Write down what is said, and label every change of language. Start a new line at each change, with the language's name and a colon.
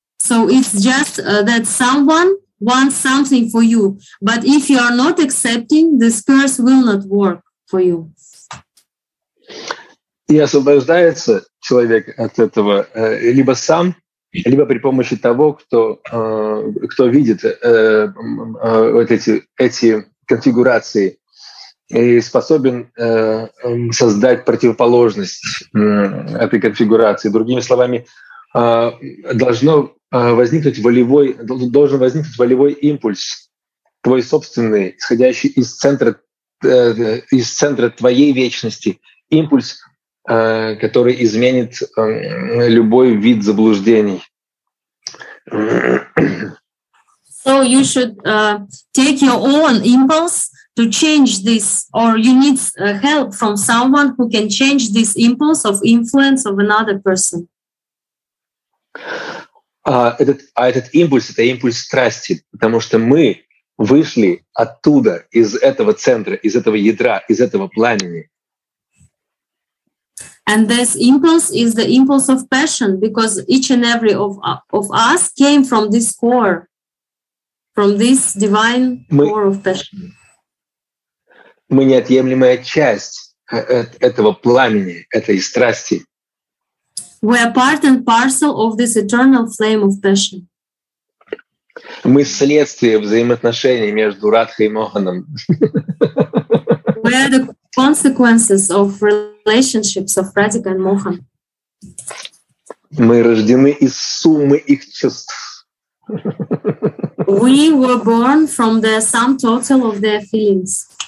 English: So it's just that someone wants something for you. But if you are not accepting, this curse will not work for you.
Russian: И освобождается человек от этого либо сам, либо при помощи того, кто видит вот эти конфигурации и способен создать противоположность этой конфигурации. Другими словами, должен возникнуть волевой импульс, твой собственный, исходящий из центра твоей вечности, импульс, который изменит любой вид заблуждений.
English: So you should take your own impulse to change this, or you need help from someone who can change this impulse of influence of another person.
Russian: Этот импульс — это импульс страсти, потому что мы вышли оттуда, из этого центра, из этого ядра, из этого пламени.
English: And this impulse is the impulse of passion, because each and every of us came from this core, from this divine core of passion.
Russian: Мы неотъемлемая часть этого пламени, этой страсти.
English: We are part and parcel of this eternal flame of passion.
Russian: Мы следствие взаимоотношений между Радхой и Моханом.
English: We are the consequences of relationships of Radhika and Mohan.
Russian: Мы рождены из суммы их чувств.
English: We were born from the sum total of their feelings.